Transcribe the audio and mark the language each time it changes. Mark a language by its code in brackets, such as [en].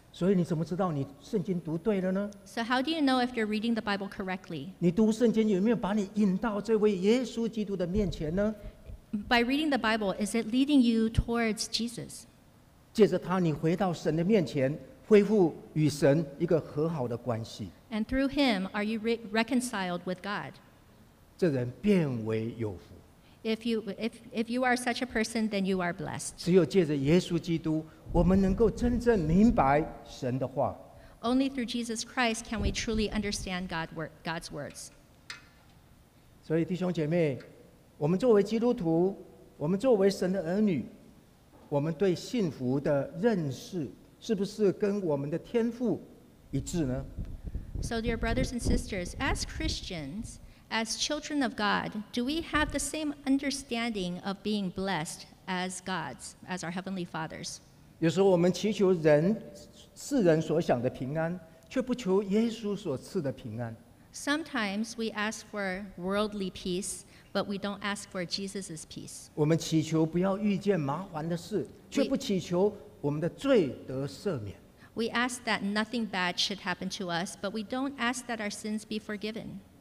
[zh] 所以你怎么知道你圣经读对了呢？ [en] So how do you know if you're reading the Bible correctly? [zh] 你读圣经有没有把你引到这位耶稣基督的面前呢？ [en] By reading the Bible, is it leading you towards Jesus? [zh] 借着他，你回到神的面前，恢复与神一个和好的关系。 [en] And through him, are you reconciled with God? [zh] 这人变为有福。 [en] If you are such a person, then you are blessed. [zh] 只有借着耶稣基督，我们能够真正明白神的话。 [en] Only through Jesus Christ can we truly understand God's words. [zh] 所以弟兄姐妹，我们作为基督徒，我们作为神的儿女，我们对幸福的认识是不是跟我们的天父一致呢？ [en] So dear brothers and sisters, as Christians,As children of God, do we have the same understanding of being blessed as God's, as our Heavenly Father's. [zh] 有时候我们祈求人世人所想的平安，却不求耶稣所赐的平安。 [en] Sometimes we ask for worldly peace, but we don't ask for Jesus's peace. [zh] 我们祈求不要遇见麻烦的事，却不祈求我们的罪得赦免。 [en] We ask that nothing bad should happen to us, but we don't ask that our sins be forgiven.